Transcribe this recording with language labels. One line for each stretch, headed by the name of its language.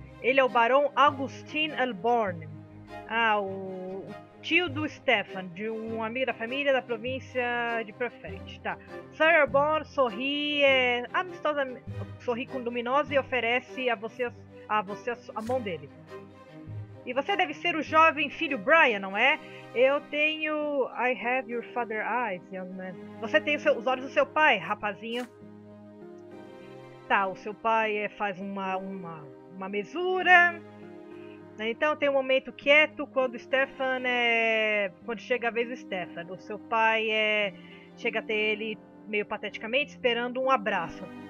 Portuguese: Ele é o Barão Augustin Elborn. Ah, o tio do Stefan, de um amigo da família da província de Prefect. Tá. Sir Elborn sorri amistosamente, sorri com luminosa e oferece a você a mão dele. E você deve ser o jovem filho Brian, não é? Eu tenho.
English: I have your father's eyes, young man.
Portuguese: Você tem os olhos do seu pai, rapazinho. Tá, o seu pai faz uma mesura. Então tem um momento quieto quando Stefan quando chega a vez do Stefan. O seu pai chega até ele meio pateticamente esperando um abraço.